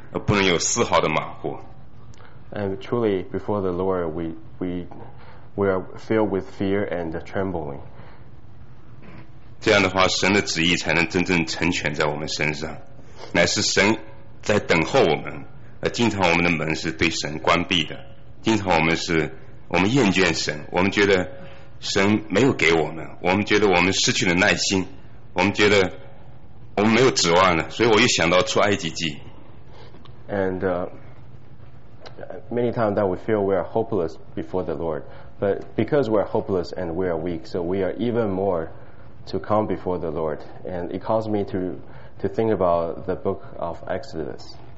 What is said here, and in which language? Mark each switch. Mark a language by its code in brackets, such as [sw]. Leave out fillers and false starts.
[zh] 信心上，我们绝对不能动摇。我们承认我们的软弱，但是我们要因为我们的软弱，所以我们更要来依靠神。所以我们在神面前，我们实在是要恐惧战惊，俯伏敬拜，而不能有丝毫的马虎。 [en] And truly, before the Lord, we are filled with fear and trembling. [zh] 这样的话，神的旨意才能真正成全在我们身上，乃是神在等候我们。经常我们的门是对神关闭的，经常我们厌倦神，我们觉得神没有给我们，我们觉得我们失去了耐心，我们觉得我们没有指望了，所以我又想到出埃及记。 [en] And many times that we feel we are hopeless before the Lord, but because we are hopeless and we are weak, so we are even more to come before the Lord, and it caused me to think about the book of Exodus.